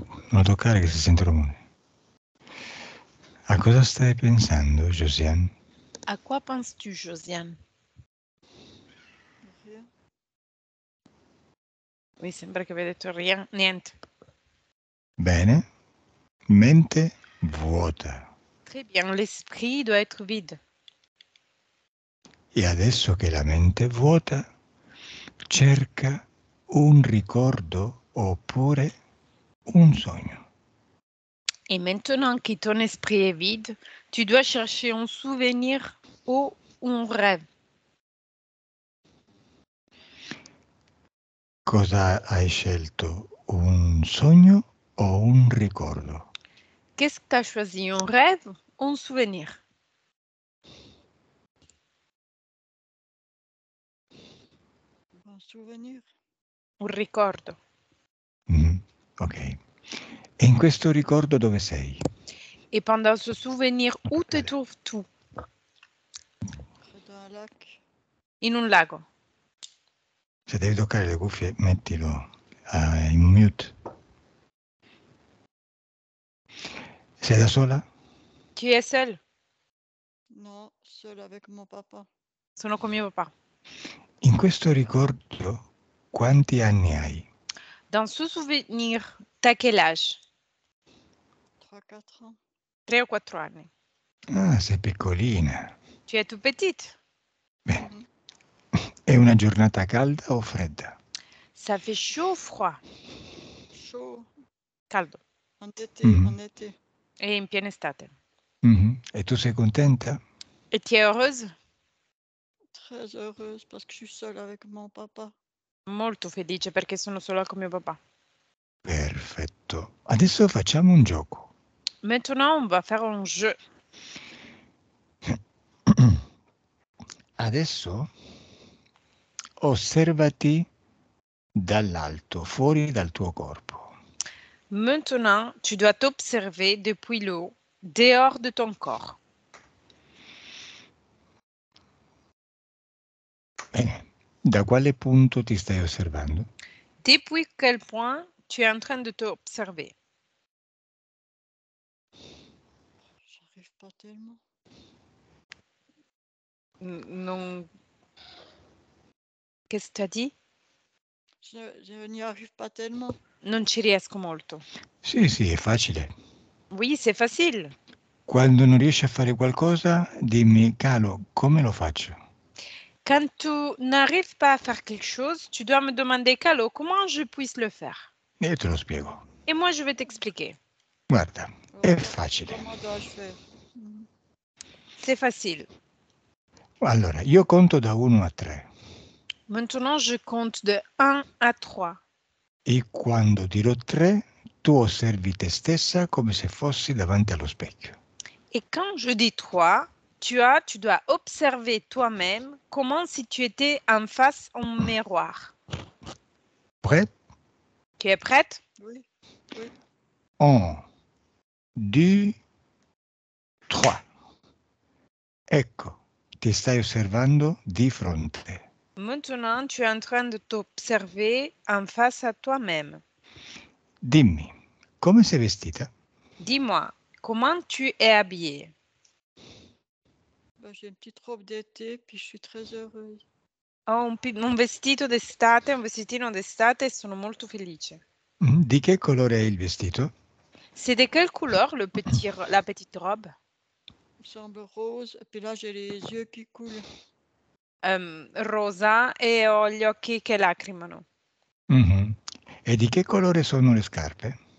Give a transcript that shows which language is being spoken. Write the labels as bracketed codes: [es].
[it] Non toccare che si sente rumore. A cosa stai pensando, Josiane? [fr] A quoi penses-tu, Josiane? [it] Mi sembra che abbia detto rien, niente. Bene. Mente vuota. [fr] Très bien, l'esprit doit être vide. [it] E adesso che la mente è vuota, cerca un ricordo oppure un sogno. [fr] Et maintenant que ton esprit est vide, tu dois chercher un souvenir ou un rêve. [it] Cosa hai scelto? Un sogno o un ricordo? [fr] Qu'est-ce que tu as choisi? Un rêve ou un souvenir? Un souvenir. [it] Un ricordo. Ok. E in questo ricordo dove sei? E [fr] pendant ce souvenir, où te trouves-tu? Dans un lac. [it] In un lago. Se devi toccare le cuffie, mettilo in mute. Sei da sola? [fr] Tu es seule? No, seule avec mon papà. [it] Sono con mio papà. In questo ricordo, quanti anni hai? [fr] Dans ce souvenir, t'as quel âge? 3-4 ans. [it] 3 o 4 anni. Ah, sei piccolina. [fr] Tu es toute petite. [it] Beh, è una giornata calda o fredda? [fr] Ça fait chaud ou froid? Chaud. [it] Caldo. [fr] En été, en été. [it] E in piena estate. E tu sei contenta? [fr] E tu es heureuse? Très heureuse parce que je suis seule avec mon papa. [it] Molto felice perché sono sola con mio papà. Perfetto. Adesso facciamo un gioco. [fr] Maintenant, on va faire un jeu. [it] Adesso osservati dall'alto, fuori dal tuo corpo. [fr] Maintenant, tu dois t'observer depuis le haut, dehors de ton corps. [it] Bene. Da quale punto ti stai osservando? [fr] Depuis quel point tu es en train de t'observer? J'arrive pas tellement. Non. Qu'est-ce que tu as dit? Je n'y arrive pas tellement. [it] Non ci riesco molto. Sì, sì, è facile. [fr] Oui, c'est facile. [it] Quando non riesci a fare qualcosa, dimmi, calo, come lo faccio? [fr] Quand tu n'arrives pas à faire quelque chose, tu dois me demander, Calo, comment je puisse le faire? [it] Io te lo spiego. [fr] Et moi, je vais t'expliquer. [it] Guarda, oh, è facile. [fr] C'est facile. [it] Allora, io conto da 1 a 3. [fr] Maintenant, je compte de 1 à 3. [it] E quando dirò 3, tu osservi te stessa come se fossi davanti allo specchio. [fr] Et quand je dis 3, tu dois observer toi-même comment si tu étais en face en miroir. Prête? Tu es prête? Oui. 1, 2, 3. [it] Ecco, ti stai osservando di fronte. [fr] Maintenant, tu es en train de t'observer en face à toi-même. [it] Dimmi, come sei vestita? [fr] Dis-moi, comment tu es habillée? Bah, j'ai une petite robe d'été, puis je suis très heureuse. [it] Ho un vestito d'estate, un vestitino d'estate, e sono molto felice. Di che colore è il vestito? [fr] C'est de quelle couleur le petit, la petite robe? Il semble rose, et puis là j'ai les yeux qui coulent. [it] Rosa, e ho gli occhi che lacrimano. E di che colore sono le scarpe?